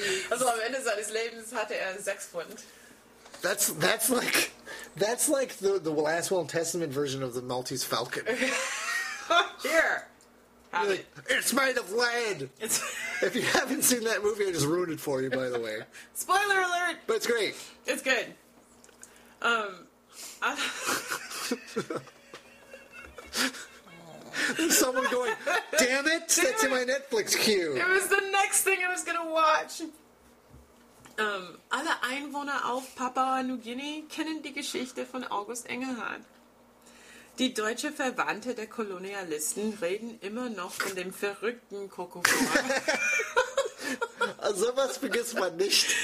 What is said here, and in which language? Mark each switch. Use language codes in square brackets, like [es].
[de] Also am Ende seines Lebens hatte er 6 Pfund. [en] That's like the last Will and Testament version of the Maltese Falcon. Here. It's made of lead. If you haven't seen that movie, I just ruined it for you, by the way. Spoiler alert! But it's great. It's good. Someone going, damn it, that's in my Netflix queue. It was the next thing I was going to watch. [de] Alle Einwohner auf Papua Neuguinea kennen die Geschichte von August Engelhardt. Die deutsche Verwandte der Kolonialisten reden immer noch von dem verrückten Kokofor. So was vergisst man nicht.